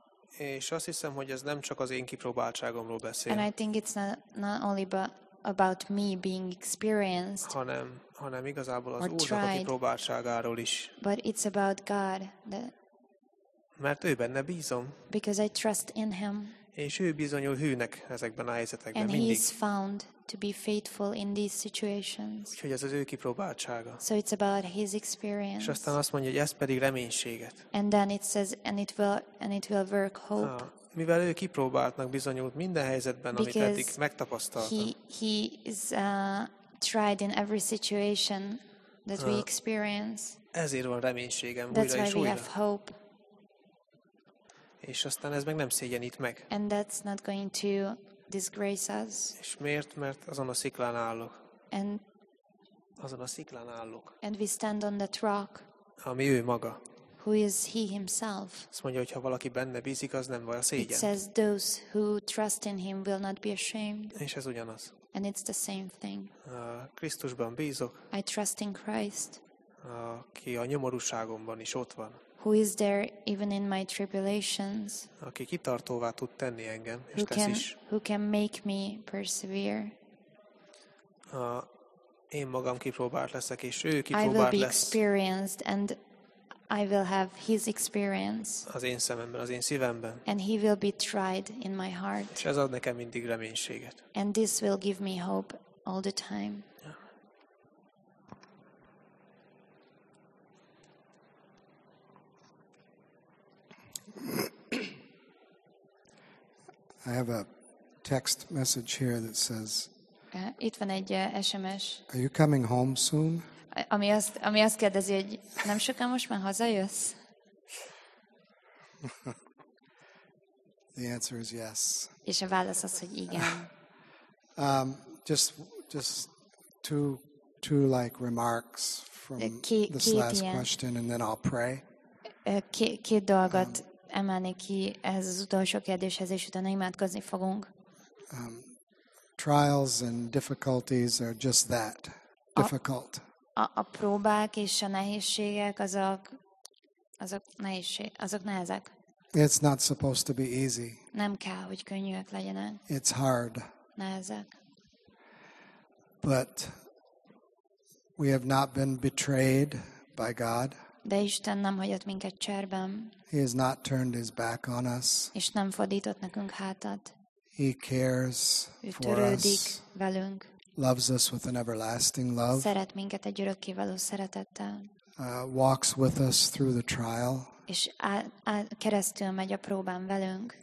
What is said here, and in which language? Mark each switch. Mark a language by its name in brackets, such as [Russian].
[Hungarian] És azt hiszem, hogy ez nem csak az én kipróbáltságomról beszél. [English] And I think it's not only about me being experienced. [Hungarian] Hanem igazából az Úrnak a kipróbáltságáról is. [English] But it's about God. [Hungarian] Mert ő benne bízom. [English] Because I trust in him. [Hungarian] És ő bizonyul hűnek ezekben a helyzetekben [English] and [Hungarian] mindig. [English] And he is found to be faithful in these situations. [Hungarian] Úgyhogy ez az ő kipróbáltsága. [English] So it's about his experience. [Hungarian] És aztán azt mondja, hogy ez pedig reménységet. [English] And then it says and it will work hope. [Hungarian] Mivel ő kipróbáltnak bizonyult minden helyzetben, amit eddig megtapasztaltam. [English] He is tried in every situation that we experience. [Hungarian] Ezért van reménységem [English] that's [Hungarian] újra és újra. [English] We have hope. [Hungarian] És aztán ez meg nem szégyenít meg. [English] And that's not going to disgrace us. [Hungarian] És miért? Mert azon a sziklán állok. [English] And [Hungarian] azon a sziklán állok. [English] And we stand on that rock. [Hungarian] Ami ő maga. [English] Who is he himself? [Hungarian] Azt mondja, hogy ha valaki benne bízik, az nem vagy a szégyen. [English] It says those who trust in him will not be ashamed. [Hungarian] És ez ugyanaz. [English] And it's the same thing. [Hungarian] Krisztusban bízok. [English] I trust in Christ. [Hungarian] Aki a nyomorúságomban is ott van. [English] Who is there even in my tribulations? [Hungarian] Aki kitartóvá tud tenni engem, és tesz is. [English] Who can make me persevere? [Hungarian] Én magam kipróbált leszek, és ő kipróbált lesz. [English] I will be experienced and I will have his experience. [Hungarian] Az én szememben, az én szívemben. [English] And he will be tried in my heart. [Hungarian] És ez ad nekem mindig reménységet. [English] And this will give me hope all the time. I have a text message here that says. [Hungarian] Itt van egy SMS. [English] Are you coming home soon? [Hungarian] Ami azt kérdezi, hogy nem sokan most már hazajössz? [English] The answer is yes. [Hungarian] És a válasz az, hogy igen. [English] Just two like remarks from this last question, and then I'll pray. [Hungarian] Két dolgot. Emelni ki ehhez az utolsó kérdéshez, és utána imádkozni fogunk. [English] Trials and difficulties are just that, difficult. [Hungarian] A próbák és a nehézségek azok nehezek. [English] It's not supposed to be easy. [Hungarian] Nem kell, hogy könnyűek legyenek. [English] It's hard. [Hungarian] Nehezek. [English] But we have not been betrayed by God. [Hungarian] De Isten nem hagyott minket cserben. [English] He has not turned his back on us. [Hungarian] És nem fordított nekünk hátat. [English] He cares for us. [Hungarian] Törődik velünk. [English] Loves us with an everlasting love. [Hungarian] Szeret minket egy örökkévaló szeretettel. [English] Walks with us through the trial. [Hungarian] És keresztül megy a próbán velünk.